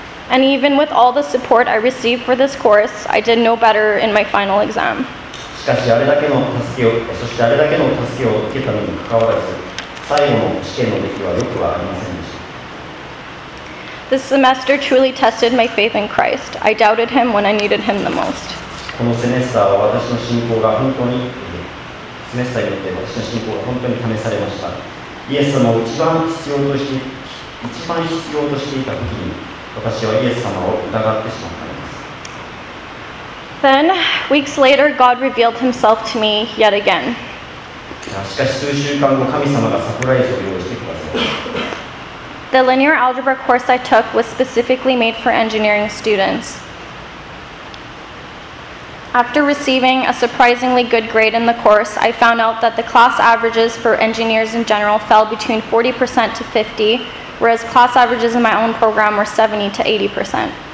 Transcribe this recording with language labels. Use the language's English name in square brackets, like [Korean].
[English] And even with all the support I received for this course, I did no better in my final exam. [Japanese] しかしあれだけの助けを、そしてあれだけの助けを受けたのにもかかわらず、最後の試験の出来は良くはありません。 [English] This semester truly tested my faith in Christ. I doubted him when I needed him the most. [Japanese] このセメスターは私の信仰が本当に、セメスターによって私の信仰が本当に試されました。イエス様を一番必要としていた時に、私はイエス様を疑ってしまったのです。 [English] Then, weeks later, God revealed himself to me yet again. [Japanese] しかし数週間後、神様がサプライズを用意してください [English] The linear algebra course I took was specifically made for engineering students. After receiving a surprisingly good grade in the course, I found out that the class averages for engineers in general fell between 40% to 50, whereas class averages in my own program were 70 to 80%.